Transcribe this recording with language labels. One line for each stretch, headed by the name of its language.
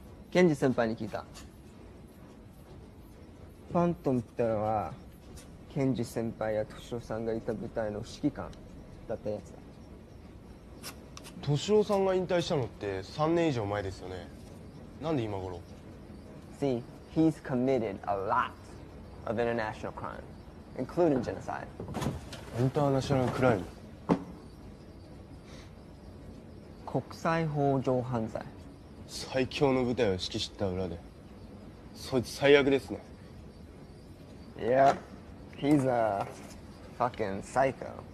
Japanese: ケンジ先輩に聞いた。ファントムってのは賢治先輩や敏郎さんがいた舞台の指揮官だったやつだ。敏郎さんが引退したのって3年以上前ですよね。なんで今頃？
English: See, he's committed a lot of international crime, including genocide. インターナショナルクライム、
Japanese: 国際法上犯罪。最強の舞台を指揮した裏で、そいつ最悪ですね。
English: Yeah, he's a fucking psycho.